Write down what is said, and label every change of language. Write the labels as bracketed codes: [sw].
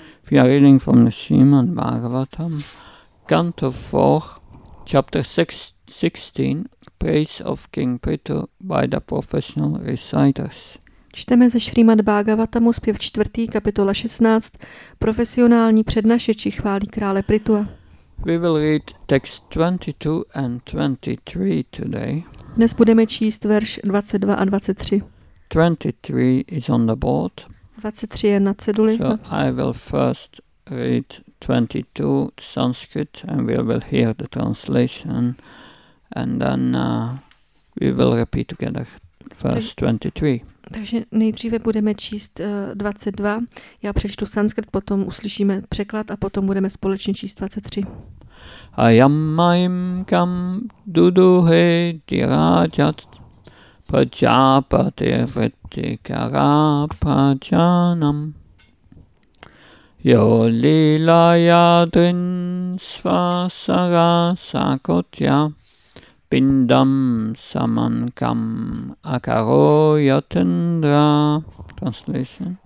[en] We are reading from the Srimad Bhagavatam, Canto 4, Chapter 16, Praise of King Prithu by the Professional Reciters. [cs] Čteme ze Srimad Bhagavatamu, zpěv 4, kapitola 16, profesionální přednašeči chválí krále Prithua. [en] We will read text 22 and 23 today. [cs] Dnes budeme číst verš 22 a 23. [en] 23 is on the board. [cs] 23 je na ceduli. [en] So I will first read 22 Sanskrit and we will hear the translation and then we will repeat together first 23. [cs] Takže nejdříve budeme číst 22. Já přečtu sanskrit, potom uslyšíme překlad a potom budeme společně číst 23. [sa] Ayam maim kam duduhe dirajat prajapati vrittikara prajanam yo lilaya drinsvasara sakotya bindam samankam akaro yatendra. Translation.